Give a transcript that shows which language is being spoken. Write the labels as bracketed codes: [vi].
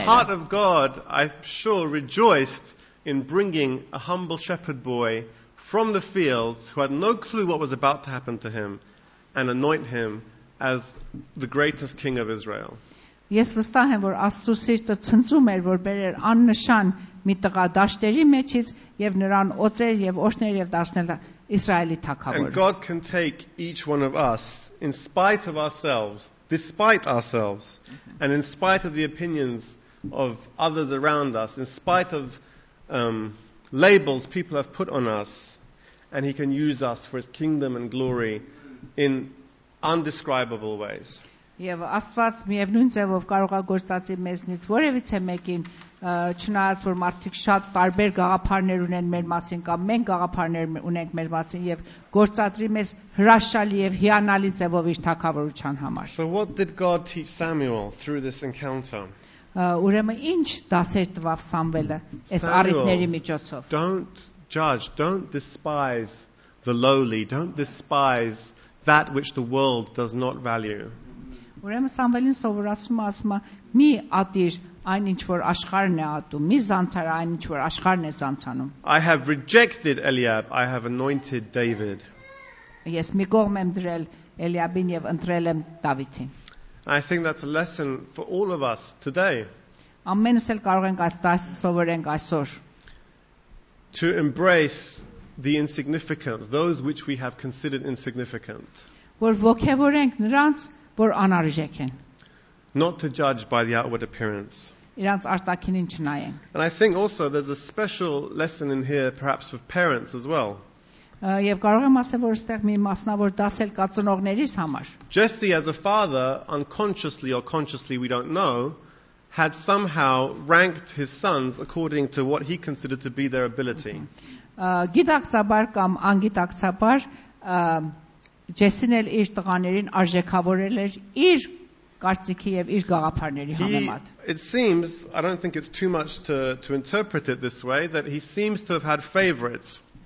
[en] The heart of God, I'm sure, rejoiced in bringing a humble shepherd boy from the fields who had no clue what was about to happen to him and anoint him as the greatest king of Israel. [hy] Ես վստահ եմ, որ Աստծո սիրտը ցնցում էր, որ բերեր աննշան մի տղա դաշտերի մեջից եւ նրան օծեր եւ օշներ եւ դարձնել Իսրայելի թագավոր։ [en] And God can take each one of us in spite of ourselves, despite ourselves, and in spite of the opinions of others around us, in spite of labels people have put on us, and he can use us for his kingdom and glory in undescribable ways. [hy] Եվ Աստված միևնույն ձևով կարող է գործածի մեզնից որևիցե մեկին, չնայած որ մարդիկ շատ տարբեր գաղափարներ ունեն մեր մասին կամ մենք գաղափարներ ունենք մեր մասին եւ գործածրի մեզ հրաշալի եւ հիանալի ձևով իր թագավորության համար։ [en] So what did God teach Samuel through this encounter? [hy] Ուրեմն ի՞նչ դասեր տվավ Սամվելը այս առիթների միջոցով։ [en] Don't judge, don't despise the lowly, don't despise that which the world does not value. [hy] Ուրեմն Սամվելին սովորացնում է ասում է՝ մի ատիր այնինչ որ աշխարհն է ատում, մի զանցար այնինչ որ աշխարհն է զանցանում. [en] I have rejected Eliab, I have anointed David. [hy] Ես մի կողմ եմ դրել Էլիաբին եւ ընտրել եմ Դավիթին. [en] I think that's a lesson for all of us today. [hy] Ամենս էլ կարող ենք այստեղ սովորենք այսօր. [en] To embrace the insignificant, those which we have considered insignificant. [hy] Որ ոգևորենք նրանց որ անարժեք են. [en] Not to judge by the outward appearance. [hy] Իրանց արտաքինին չնայենք. [en] And I think also there's a special lesson in here perhaps for parents as well. [hy] Եվ կարող եմ ասել, որ այստեղ մի մասնավոր դաս էլ կա ծնողներիս համար. [en] Jesse as a father, unconsciously or consciously we don't know, had somehow ranked his sons according to what he considered to be their ability. [hy] Գիտակցաբար կամ անգիտակցաբար Jesse-ն էլ իր տղաներին արժեքավորել էր իր կարծիքի եւ իր գաղափարների համեմատ։ [en] It seems, I don't think it's too much to interpret it this way, that he seems to have had favorites.